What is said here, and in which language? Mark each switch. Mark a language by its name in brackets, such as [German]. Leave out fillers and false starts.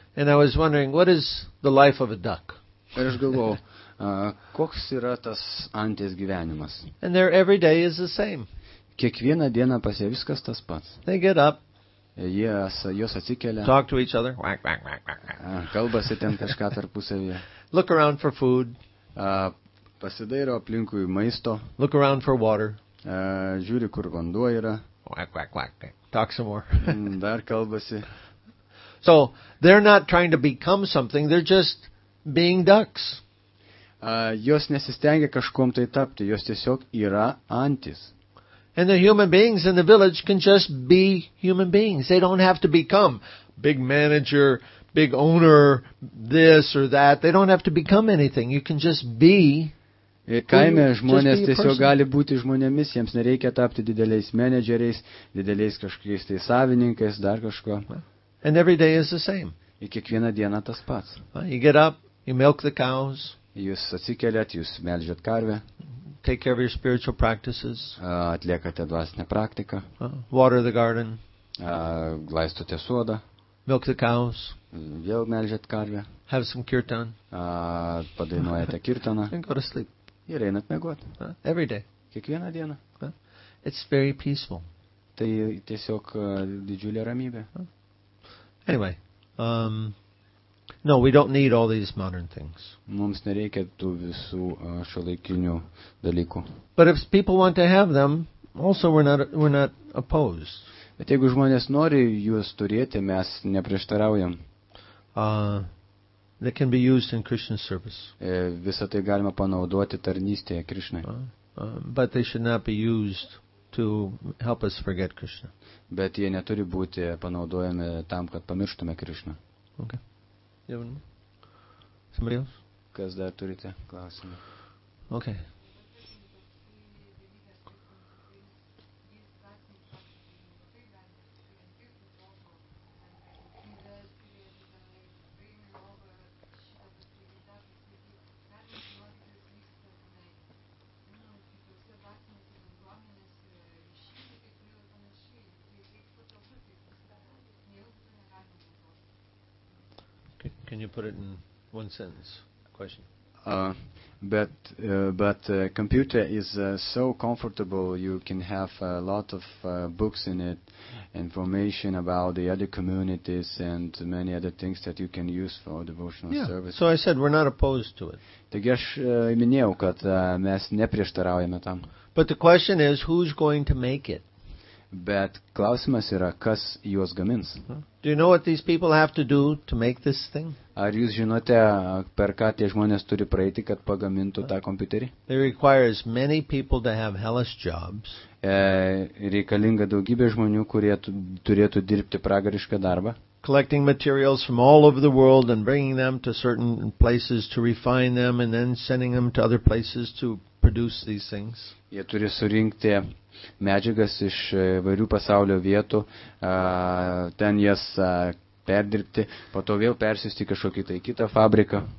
[English] And I was wondering, what is the life of a duck? [Lithuanian] Ir aš galvojau, koks yra tas antis gyvenimas? [English] And their every day is the same. [Lithuanian] Kiekvieną dieną pas jie viskas tas pats. [English] They get up. [Lithuanian] Jos atsikelia. [English] Talk to each other. [Lithuanian] Kalbasi ten kažką tarpusavyje. [English] Look around for food. [Lithuanian] Pasidairo aplinkui maisto. [English] Look around for water. [Lithuanian] Žiūri, kur vanduo yra. [English] Quack, quack, quack. Talk some more. [Lithuanian] Dar kalbasi. [English] So, they're not trying to become something, they're just being ducks. [Lithuanian] Jos nesistengia kažkom tai tapti, jos tiesiog yra antis. [English] And the human beings in the village can just be human beings. They don't have to become big manager, big owner, this or that. They don't have to become anything. You can just be. [Lithuanian] Ir kaime žmonės tiesiog gali būti žmonėmis, jiems nereikia tapti dideliais menedžeriais, dideliais kažkokiais tai savininkais, dar kažko. [English] And every day is the same. [Lithuanian] Ir kiekvieną dieną tas pats. [English] You get up, you milk the cows. [Lithuanian] Jūs atsikeliat, jūs melžiat karvę. [English] Take care of your spiritual practices. [Lithuanian] Atliekate dvasinę praktiką. [English] Water the garden. [Lithuanian] Laistote sodą. [English] Milk the cows. [Lithuanian] Vėl melžiat karvę. [English] Have some kirtan. [Lithuanian] Padainuojate kirtaną. [English] And go to sleep. [Lithuanian] Ir einat miegoti. [English] Every day. [Lithuanian] Kiekvieną dieną. [English] It's very peaceful. [Lithuanian] Tai tiesiog didžiulė ramybė. [English] Anyway, no, we don't need all these modern things. [Lithuanian] Mums nereikia tų visų šiuolaikinių dalykų. [English] But if people want to have them, also we're not opposed. [Lithuanian] Bet jeigu žmonės nori juos turėti, mes neprieštaraujam. [English] That can be used in Krishna's service. [Lithuanian] Visą tai galima panaudoti tarnystėje Krishnai. [English] But they should not be used to help us forget Krishna. [Lithuanian] Bet jie neturi būti panaudojami tam, kad pamirštume Krishna. [English] Okay. Somebody else? [Lithuanian] Kas dar turite klausimą? [English] Okay. Can you put it in one sentence? Question. But computer is so comfortable. You can have a lot of books in it, information about the other communities and many other things that you can use for devotional service. So I said we're not opposed to it. [Lithuanian] Taigi aš minėjau, kad mes neprieštaraujame tam. [English] But the question is, who's going to make it? [Lithuanian] Bet klausimas yra, kas juos gamins. [English] Do you know what these people have to do to make this thing? [Lithuanian] Ar jūs žinote, per ką tie žmonės turi praeiti, kad pagamintų tą kompiuterį? [English] It requires many people to have hellish jobs. [Lithuanian] Reikalinga daugybė žmonių, kurie turėtų dirbti pragarišką darbą. [English] Collecting materials from all over the world and bringing them to certain places to refine them and then sending them to other places to produce these things. [Lithuanian] Jie turi surinkti medžiagas iš įvairių pasaulio vietų, ten jas perdirbti, po to vėl persiųsti kažkokį tai kitą fabriką.